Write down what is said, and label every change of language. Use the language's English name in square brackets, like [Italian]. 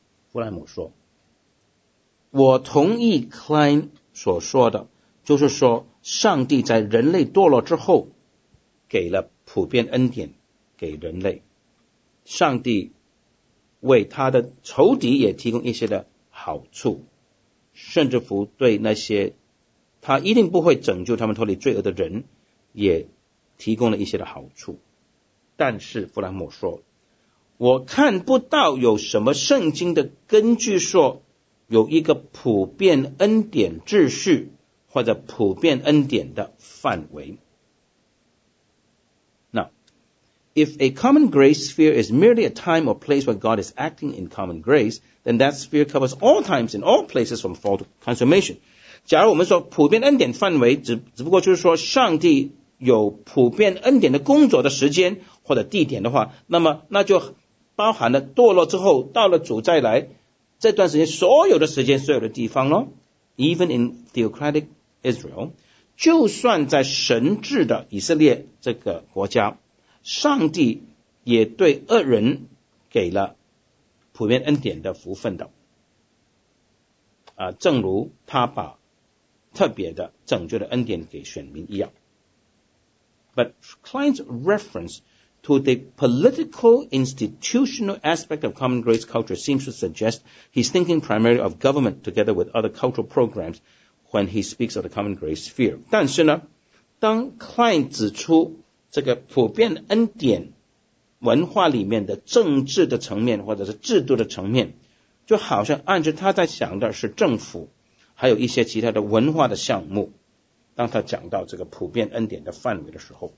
[Chinese] 弗兰姆说，我同意 Klein 所说的，就是说上帝在人类堕落之后给了普遍恩典给人类，上帝为他的仇敌也提供一些的好处，甚至乎对那些他一定不会拯救他们脱离罪恶的人也提供了一些的好处。但是弗兰姆说，我看不到有什么圣经的根据说有一个普遍恩典秩序或者普遍恩典的范围。 [English] Now, if a common grace sphere is merely a time or place where God is acting in common grace, then that sphere covers all times and all places from fall to consummation. [Chinese] 假如我们说普遍恩典范围 只不过就是说上帝有普遍恩典的工作的时间或者地点的话，那么那就包含了堕落之后到了主再来这段时间所有的时间所有的地方咯。 [English] Even in theocratic Israel, [Chinese] 就算在神治的以色列这个国家，上帝也对恶人给了普遍恩典的福分的，正如他把特别的拯救的恩典给选民一样。 [English] But Klein's reference to the political institutional aspect of common grace culture seems to suggest he's thinking primarily of government together with other cultural programs when he speaks of the common grace sphere. [Chinese] 但是呢，当 Klein 指出这个普遍恩典文化里面的政治的层面或者是制度的层面，就好像按照他在想的是政府还有一些其他的文化的项目，当他讲到这个普遍恩典的范围的时候，